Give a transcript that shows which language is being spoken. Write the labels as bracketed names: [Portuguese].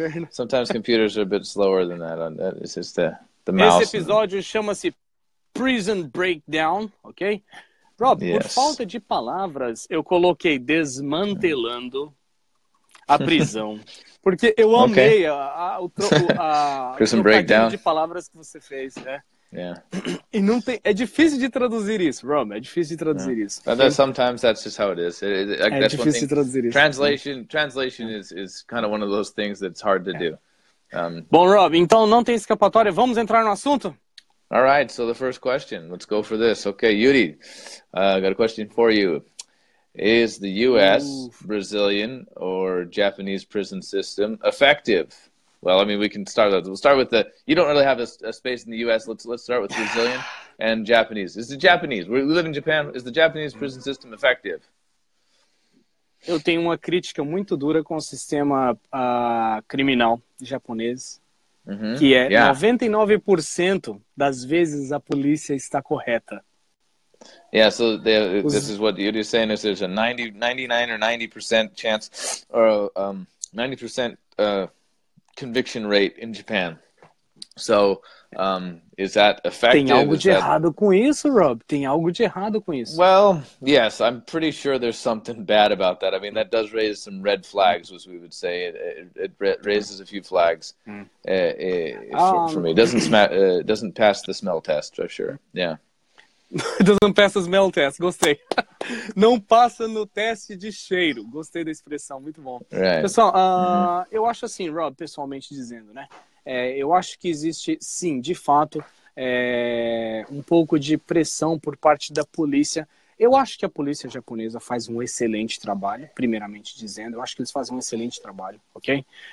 [English] Sometimes computers are a bit slower than that. It's just the mouse. [Portuguese] Esse episódio chama-se Prison Breakdown, ok? Rob, por falta de palavras, eu coloquei desmantelando a prisão. Porque eu amei [English] Prison [Portuguese] o trocadilho de palavras que você fez, né? [English] Yeah. [Portuguese] E não tem, é difícil de traduzir isso, Rome. É difícil de traduzir isso. [English] But sometimes that's just how it is. [Portuguese] É difícil de traduzir isso. [English] Translation is kind of one of those things that's hard to do. [Portuguese] Bom, Rob, então não tem escapatória. Vamos entrar no assunto? [English] All right, so the first question. Let's go for this. Okay, Yuri, got a question for you. Is the U.S., Brazilian, or Japanese prison system effective? Well, I mean, we can start with, we'll start with the, you don't really have a space in the U.S. Let's start with Brazilian and Japanese. Is the Japanese, we live in Japan, is the Japanese prison system effective? [Portuguese] Eu tenho uma crítica muito dura com o sistema criminal japonês, que é 99% das vezes a polícia está correta. [English] Yeah, so they, this is what you're saying, is there's a 99% chance, or 90% conviction rate in Japan. So, is that effective? [Portuguese] Tem algo de errado com isso, Rob. Tem algo de errado com isso. [English] Well, yes, I'm pretty sure there's something bad about that. I mean, that does raise some red flags, as we would say. It raises a few flags for me. Doesn't pass the smell test, for sure. Yeah. Doesn't pass the smell test. [Portuguese] Gostei. Não passa no teste de cheiro. Gostei da expressão. Muito bom. [English] Right. [Portuguese] Pessoal, eu acho assim, Rob, pessoalmente dizendo, né? Eu acho que existe, sim, de fato, um pouco de pressão por parte da polícia. Eu acho que a polícia japonesa faz um excelente trabalho, primeiramente dizendo. Eu acho que eles fazem um excelente trabalho, ok?